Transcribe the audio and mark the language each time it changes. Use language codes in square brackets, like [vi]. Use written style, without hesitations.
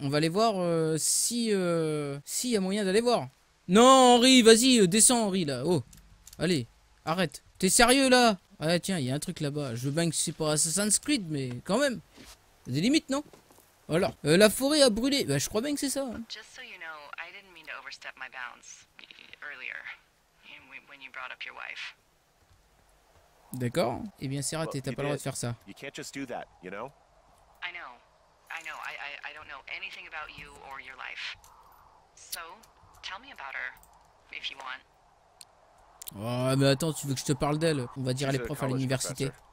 [fr] On va aller voir si... S'il y a moyen d'aller voir. Non, Henri, vas-y, descends, Henri, là. Oh, allez, arrête. T'es sérieux, là? Ah tiens, il y a un truc là-bas. Je veux bien que c'est pas Assassin's Creed, mais quand même. Il y a des limites, non? Voilà. La forêt a brûlé. Bah, je crois bien que c'est ça. Hein. [en] Just so you know, I didn't mean to overstep my bounds earlier when you brought up your wife. [fr] D'accord. Eh bien, c'est raté, t'as pas le droit de faire ça. [en] You can't just do that, you know? I know. I don't know anything about you or your life. So, tell me about her, if you want. [fr] Oh, mais attends, tu veux que je te parle d'elle? On va dire elle est prof à l'université.